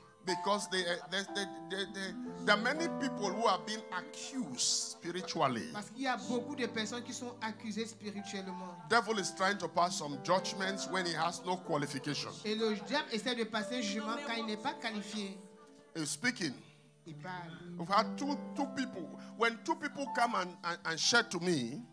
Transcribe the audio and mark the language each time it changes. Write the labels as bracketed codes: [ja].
[en] Because there are many people who have been accused spiritually. [fr] Parce qu'il y a beaucoup de personnes qui sont accusées spirituellement. [en] Devil is trying to pass some judgments when he has no qualification. [fr] Et le diable essaie de passer jugement quand il n'est pas qualifié. [en] He's speaking. We've had two people. When two people come and share to me.